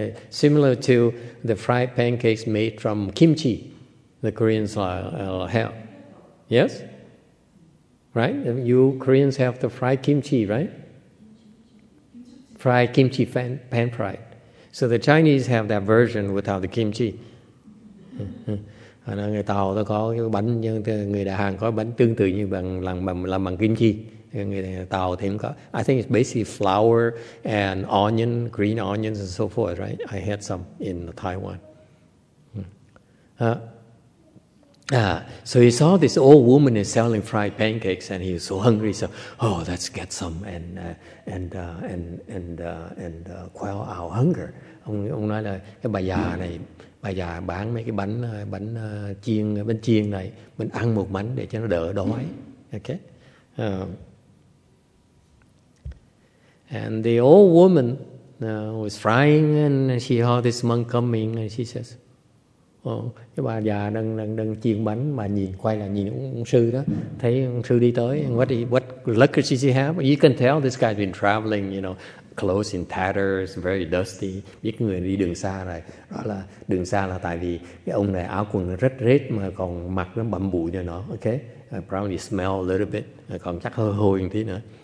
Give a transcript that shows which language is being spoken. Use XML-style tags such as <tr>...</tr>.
<en>Similar to the fried pancakes made from kimchi, the Koreans have. Yes? Right? You Koreans have the fried kimchi, right? Fried kimchi pan fried. So the Chinese have that version without the kimchi.</en> <vi>Ở người Tàu nó có cái bánh, nhưng người Đà Hàng có bánh tương tự như bằng làm bằng kimchi. Người Tàu thì có.</vi> <en>I think it's basically flour and onion, green onions and so forth, right? I had some in Taiwan. So he saw this old woman is selling fried pancakes, and he was so hungry. So, oh, let's get some and quell our hunger.</en> <vi>Ông nói là cái bà già này, bà già bán mấy cái bánh chiên này, mình ăn một bánh để cho nó đỡ đói. Okay.</vi> <en>And the old woman was frying, and she saw this monk coming, and she says,</en> <vi>cái bà già đang chiên bánh, bà nhìn quay lại nhìn ông sư đó, thấy ông sư đi tới,</vi> <en>and what luck does she have? You can tell this guy's been traveling, you know, clothes in tatters, very dusty.</en> <vi>Biết người đi đường xa này, đó là đường xa là tại vì cái ông này áo quần rất rết mà còn mặt nó bẩm bụi cho nó, okay?</vi> <en>Probably smell a little bit,</en> <vi>còn chắc hơi hôi một tí nữa.</vi>